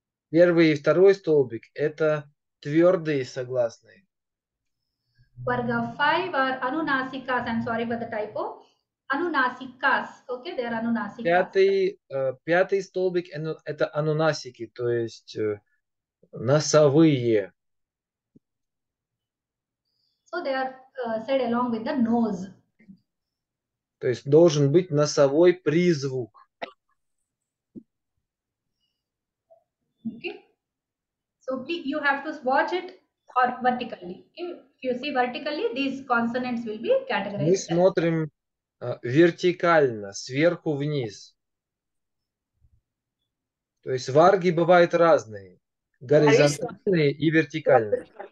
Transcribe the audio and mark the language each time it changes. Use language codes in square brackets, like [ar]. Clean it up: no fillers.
[ru] Первый и второй столбик – это твердые согласные. [en] Varga 5 are anunasikas. I'm sorry for the typo. Anunasikas. Okay, they are anunasikas. [ru] Пятый столбик – это анунасики, то есть носовые. [en] So they are said along with the nose. [ru] То есть должен быть носовой призвук. [en] Okay. So please, you have to watch it or vertically. If you see vertically, these consonants will be categorized. [ru] Мы смотрим вертикально, сверху вниз. То есть варги бывают разные. Горизонтальные и вертикальные.